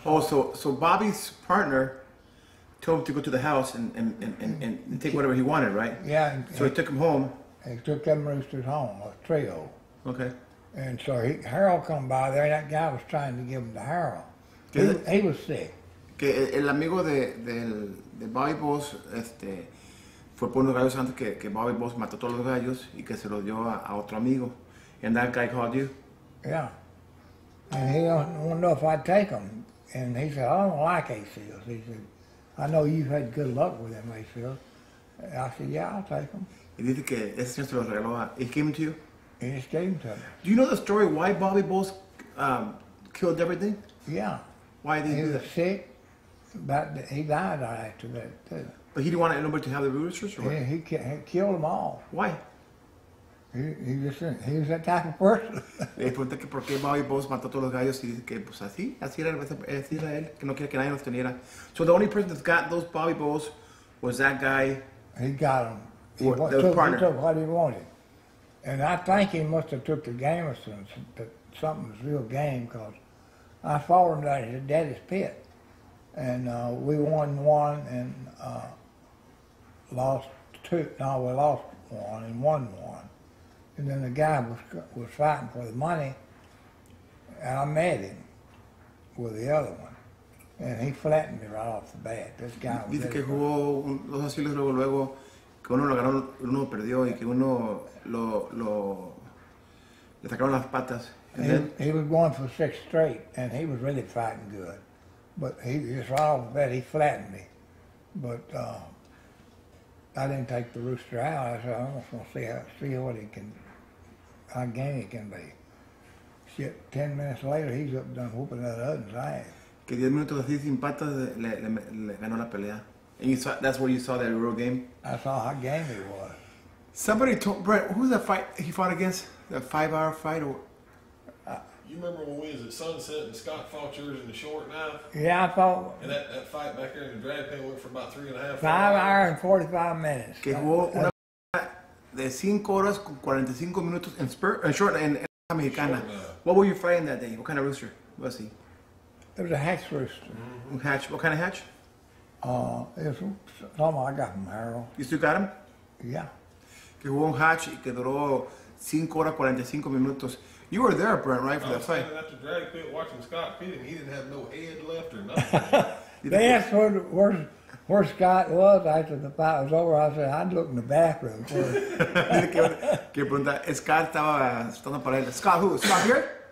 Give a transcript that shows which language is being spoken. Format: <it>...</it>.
<en>So Bobby's partner told him to go to the house and take whatever he wanted, right? Yeah. So he took him home. He took them roosters home, a trio. Okay. And so Harold come by there, and that guy was trying to give him to Harold. He was sick.</en> <es>Que el amigo de Bobby Bowles, fue por unos gallos antes que Bobby Bowles mató todos los gallos y que se los dio a otro amigo.</es> <en>And that guy called you? Yeah. And he don't know if I'd take them. And he said, I don't like ACLs. He said, I know you've had good luck with them, ACLs. I said, yeah, I'll take them.</en> <es>Y dice que ese señor se los regaló a,</es> <en>he came to you? He just gave them to me. Do you know the story why Bobby Bowles killed everything? Yeah. Why did he do that? He was sick, but he died after that, too. But he didn't want anybody to have the roosters, right? Yeah, he killed them all. Why? He was that type of person.</en> <es>Le pregunté que por qué Bobby Bowles mató todos los gallos y dice que pues así era él, que no quiere que nadie los teniera.</es> <en>So the only person that got those Bobby Bowles was that guy. He got them. He took what he wanted. And I think he must have took the gamers to something was real game, because I fought him down at his daddy's pit. And we won one and lost two. No, we lost one and won one. And then the guy was fighting for the money, and I met him with the other one. And he flattened me right off the bat. This guy was...</en> <es>Dice que jugó dos asilos, luego, que uno lo ganó, uno perdió, y que uno lo le sacaron las patas.</es> <en>He was going for six straight, and he was really fighting good. But he just right off the bat, he flattened me. But I didn't take the rooster out. I said, I'm just going to see what he can, how game he can be. Shit, 10 minutes later, he's up done whooping that other's ass.</en> <es>Que 10 minutos así sin patas le ganó la pelea.</es> <en>And you saw, that's where you saw that real game? I saw how game he was. Somebody told, Brett, who's that fight he fought against? That 5-hour fight? Or? You remember when we was at Sunset and Scott fought yours in the short knife? Yeah, I fought. And that fight back there in the drag pen went for about 3.5 hours. 5 hours and 45 minutes.</en> <es>Que jugó una fight de 5 horas con 45 minutos en spurt, short and Mexicana.</es> <en>What were you fighting that day? What kind of rooster was he? It was a hatch rooster. Mm-hmm. Hatch. What kind of hatch? It was something I got from Harold. You still got him? Yeah.</en> <es>Que jugó un hatch y que duró 5 horas 45 minutos.</es> <en>You were there, Brent, right, for that fight? I was standing at the drag pit watching Scott feed him. He didn't have no head left or nothing. They asked where Scott was after the fight was over. I said, I'd look in the bathroom for</en> <es>him. Scott estaba estando para él.</es> <en>Scott who? Scott here?</en>